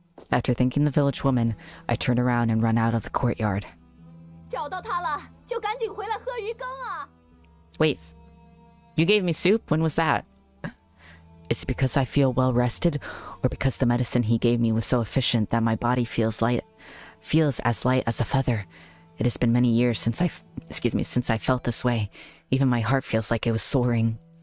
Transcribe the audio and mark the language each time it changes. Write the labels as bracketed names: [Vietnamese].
[English] After thanking the village woman, I turn around and run out of the courtyard. [Chinese] 找到他了，就赶紧回来喝鱼羹啊。 [English] Wait, you gave me soup? When was that? It's because I feel well rested, or because the medicine he gave me was so efficient that my body feels as light as a feather. It has been many years since I felt this way. Even my heart feels like it was soaring.